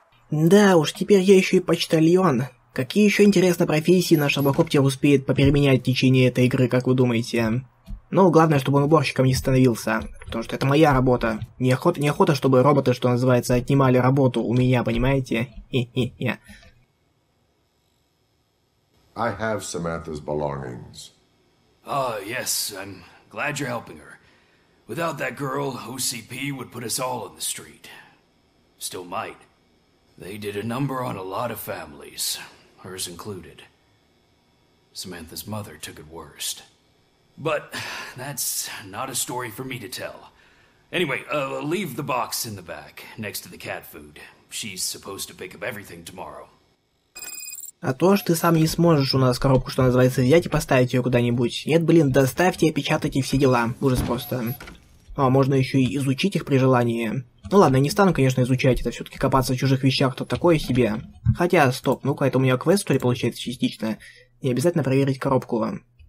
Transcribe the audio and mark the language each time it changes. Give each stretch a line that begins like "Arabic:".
Russian: Да уж, теперь я еще и почтальон. Какие еще интересные профессии наш робокоптер успеет попеременять в течение этой игры, как вы думаете? Ну, главное, чтобы он уборщиком не становился. Потому что это моя работа. Неохота, чтобы роботы, что называется, отнимали работу у меня, понимаете? Хе-хе-хе.
English: I have Samantha's belongings. Oh, yes, I'm glad you're helping her. Without that girl, OCP would put us all on the street. Still might. They did a number on a lot of families, hers included. Samantha's mother took it worst. But that's not a story for me to tell. Anyway, leave the box in the back, next to the cat food. She's supposed to pick up everything tomorrow.
Russian: А то, что ты сам не сможешь у нас коробку, что называется, взять и поставить ее куда-нибудь. Нет, блин, доставьте, опечатайте все дела. Ужас просто. А можно еще и изучить их при желании. Ну ладно, я не стану, конечно, изучать это, все-таки копаться в чужих вещах, то такое себе. Хотя, стоп, ну-ка, это у меня квест, что ли, получается, частично. И обязательно проверить коробку.